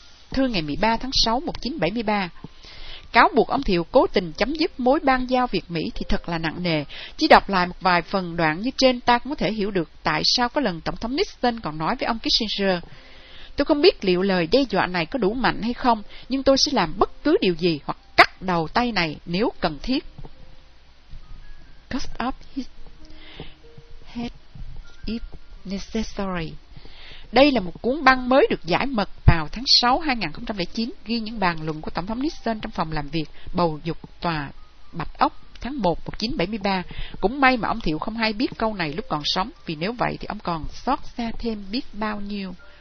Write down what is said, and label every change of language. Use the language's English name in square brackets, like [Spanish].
[Vietnamese] Thư ngày 13 tháng 6, 1973. Cáo buộc ông Thiệu cố tình chấm dứt mối bang giao Việt-Mỹ thì thật là nặng nề. Chỉ đọc lại một vài phần đoạn như trên ta cũng có thể hiểu được tại sao có lần Tổng thống Nixon còn nói với ông Kissinger. Tôi không biết liệu lời đe dọa này có đủ mạnh hay không, nhưng tôi sẽ làm bất cứ điều gì hoặc cắt đầu tay này nếu cần thiết. [English] Cut off his head if necessary. [Vietnamese] Đây là một cuốn băng mới được giải mật vào tháng 6 2009, ghi những bàn luận của Tổng thống Nixon trong phòng làm việc bầu dục tòa Bạch Ốc tháng 1 1973. Cũng may mà ông Thiệu không hay biết câu này lúc còn sống, vì nếu vậy thì ông còn xót xa thêm biết bao nhiêu.